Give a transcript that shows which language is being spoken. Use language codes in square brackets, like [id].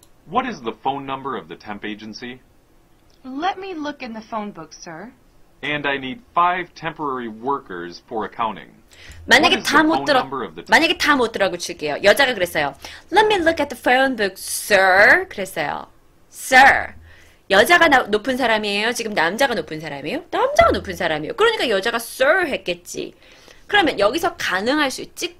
[en] What is the phone number of the temp agency? Let me look in the phone book, sir. And I need 5 temporary workers for accounting. [ko] 만약에 다 못 들어, 만약에 다 못 들어 고칠게요. 여자가 그랬어요. [en] Let me look at the phone book, sir. [ko] 그랬어요. Sir. 여자가 높은 사람이에요? 지금 남자가 높은 사람이에요? 남자가 높은 사람이에요. 그러니까 여자가 sir 했겠지. 그러면 여기서 가능할 수 있지?